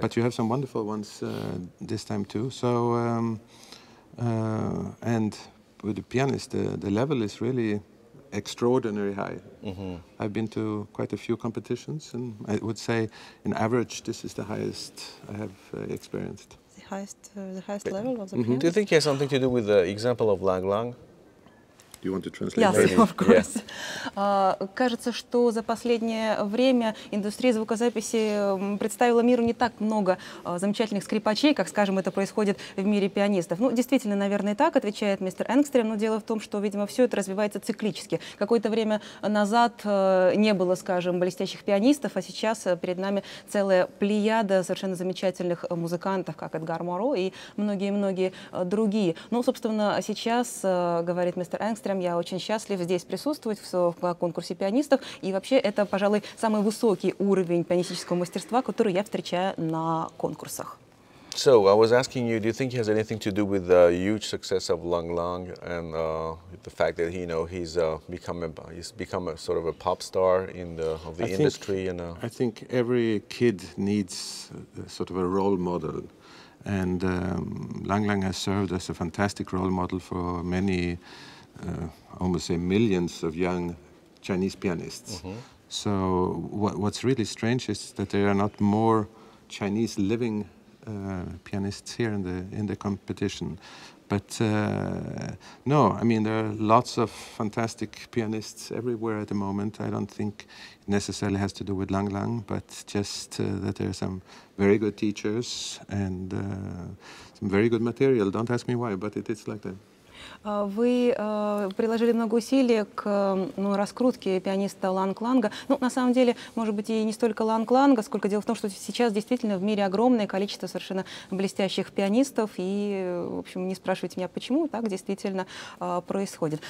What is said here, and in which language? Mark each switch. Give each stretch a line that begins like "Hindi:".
English: But you have some wonderful ones this time too. So and with the pianist, the level is really extraordinary high. Mm-hmm. I've been to quite a few competitions, and I would say, in average, this is the highest I have experienced. The highest level of the mm-hmm. Do you think it has something to do with the example of Lang Lang? Do you want to translate? Yes, of course. Yeah.
Russian: Кажется, что за последнее время индустрия звукозаписи представила миру не так много замечательных скрипачей, как, скажем, это происходит в мире пианистов. Ну, действительно, наверное, и так, отвечает мистер Энгстрём, но дело в том, что, видимо, все это развивается циклически. Какое-то время назад не было, скажем, блестящих пианистов, а сейчас перед нами целая плеяда совершенно замечательных музыкантов, как Эдгар Моро и многие-многие другие. Ну, собственно, сейчас, говорит мистер Энгстрём, я очень счастлив здесь присутствовать, в конкурсе пианистов, и вообще это, пожалуй, самый высокий уровень пианистического мастерства, который я встречаю на конкурсах.
English: So, I was asking you, do you think he has anything to do with the huge success of Lang Lang and the fact that, you know, he's become a sort of a pop star in the industry? I think every kid needs sort of a role model, and Lang Lang has served as a fantastic role model for many, almost say millions of young Chinese pianists. Mm-hmm. So what's really strange is that there are not more Chinese living pianists here in the competition. But no, I mean, there are lots of fantastic pianists everywhere at the moment. I don't think it necessarily has to do with Lang Lang, but just that there are some very good teachers and some very good material. Don't ask me why, but it's like that.
Russian: Вы приложили много усилий к раскрутке пианиста Ланг Ланга. Ну, на самом деле, может быть, и не столько Ланг Ланга, сколько дело в том, что сейчас действительно в мире огромное количество совершенно блестящих пианистов. И, в общем, не спрашивайте меня, почему так действительно происходит.